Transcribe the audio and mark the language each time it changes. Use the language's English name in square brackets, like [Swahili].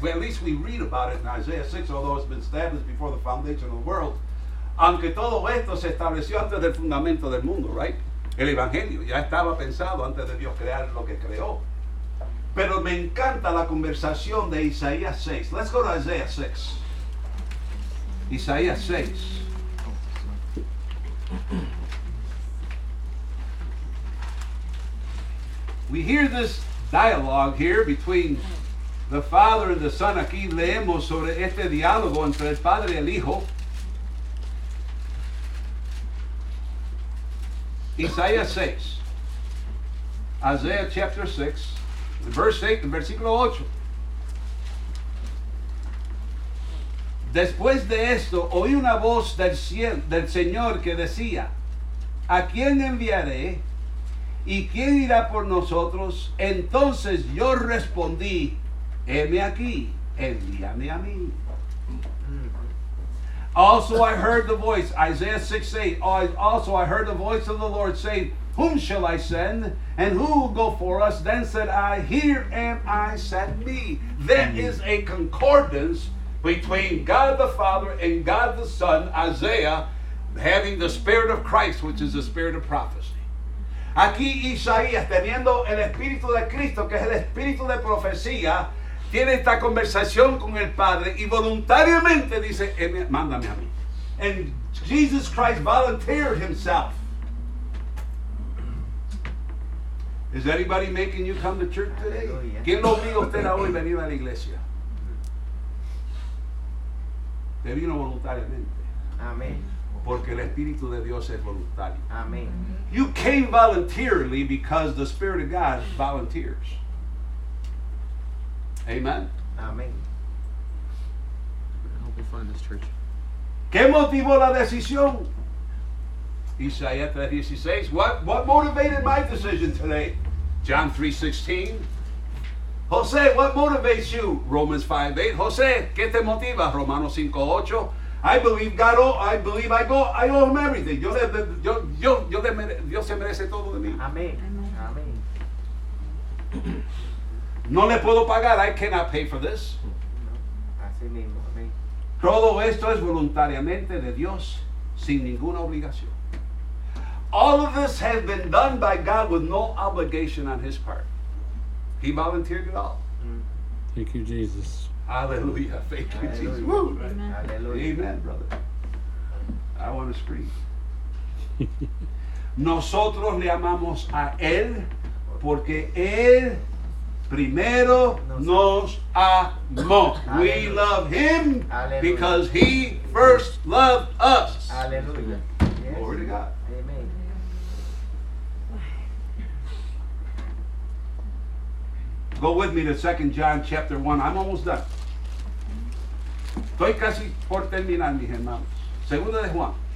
[English] Well, at least we read about it in Isaiah 6, although it's been established before the foundation of the world. [Spanish] Aunque todo esto se estableció antes del fundamento del mundo, right? El Evangelio ya estaba pensado antes de Dios crear lo que creó. Pero me encanta la conversación de Isaías 6. [English] Let's go to Isaiah 6. [Spanish] Isaías 6. [English] We hear this dialogue here between the Father and the Son. [Spanish] Aquí leemos sobre este diálogo entre el Padre y el Hijo. [English] Isaiah 6. Isaiah chapter 6, verse 8, [Spanish] versículo 8. Después de esto, oí una voz del Señor que decía, ¿a quién enviaré? ¿Y quién irá por nosotros? Entonces yo respondí, heme aquí, envíame a mí. [English] Also I heard the voice, Isaiah 6:8. Also I heard the voice of the Lord saying, whom shall I send? And who will go for us? Then said I, here am I, send me. There is a concordance between God the Father and God the Son, Isaiah, having the Spirit of Christ, which is the Spirit of prophecy. [Spanish] Aquí Isaías, teniendo el Espíritu de Cristo, que es el Espíritu de profecía, tiene esta conversación con el Padre y voluntariamente dice, mándame a mí. [English] And Jesus Christ volunteered himself. Is anybody making you come to church today? [Spanish] ¿Quién lo obliga usted a hoy venir a la iglesia? Te vino voluntariamente. Amén. Porque el Espíritu de Dios es voluntario. Amén. [English] You came voluntarily because the Spirit of God volunteers. Amen. [Spanish] Amén. [English] I hope we find this church. [Spanish] ¿Qué motivó la decisión? Isaiah 3:16. [English] What motivated my decision today? John 3:16. Jose, what motivates you? Romans 5:8. [Spanish] Jose, ¿qué te motiva? [English] Romanos 5:8. I owe him everything. [Spanish] Dios se merece todo de mí. Amén. Amén. No le puedo pagar. [English] I cannot pay for this. [Spanish] Así mismo. Amén. Todo esto es voluntariamente de Dios, sin ninguna obligación. [English] All of this has been done by God with no obligation on his part. He volunteered it all. Thank you, Jesus. Hallelujah. Thank you, Jesus. Amen. Amen, brother. I want to scream. [Spanish] Nosotros le amamos a Él porque Él primero nos amó. [English] We love Him because He first loved us. Hallelujah. Glory to God. Amen. Go with me to 2 John chapter 1. I'm almost done. [Spanish] Estoy casi por terminar, mis hermanos. Segunda de Juan.